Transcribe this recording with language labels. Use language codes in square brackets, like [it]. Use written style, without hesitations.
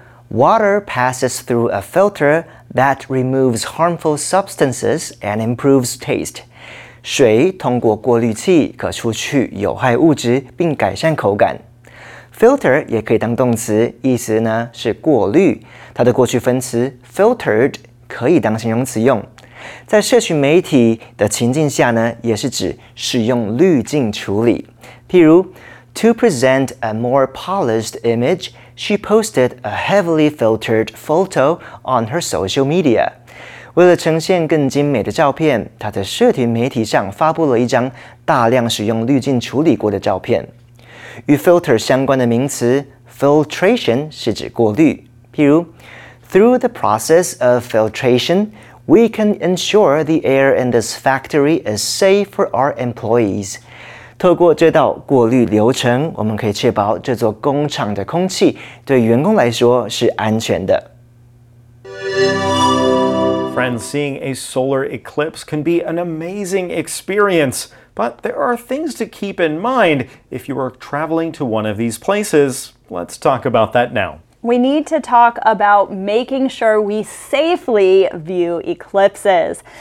[en] Water passes through a filter that removes harmful substances and improves taste. [zh] 水通过过滤器可除去有害物质并改善口感。 Filter 也可以当动词，意思呢是过滤。它的过去分词 filtered 可以当形容词用。在社群媒体的情境下呢，也是指使用滤镜处理。譬如 [en] ,to present a more polished image,She posted a heavily filtered photo on her social media. [zh] 为了呈现更精美的照片，她在社群媒体上发布了一张大量使用滤镜处理过的照片。与 filter 相关的名词 ,filtration 是指过滤。譬如 [en] ,through the process of filtration, we can ensure the air in this factory is safe for our employees. [zh] 透过这道过滤流程，我们可以确保这座工厂的空气对员工来说是安全的。 [en] Friends, seeing a solar eclipse can be an amazing experience, but there are things to keep in mind if you are traveling to one of these places. Let's talk about that now. We need to talk about making sure we safely view eclipses.